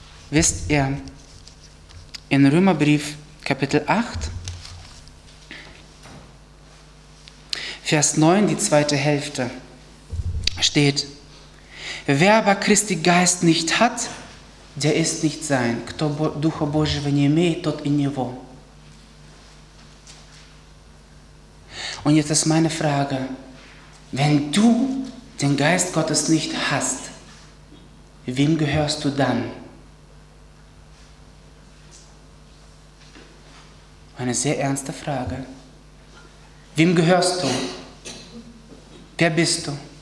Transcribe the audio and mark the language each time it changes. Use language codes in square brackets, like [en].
[de] wisst ihr, in Römerbrief Kapitel 8, Vers 9, die zweite Hälfte, steht: Wer aber Christi Geist nicht hat, der ist nicht sein. [ru] Кто Духа Божьего не имеет, тот и не его. [de] Und jetzt ist meine Frage: Wenn du den Geist Gottes nicht hast, wem gehörst du dann? Eine sehr ernste Frage. Wem gehörst du? Wer bist du?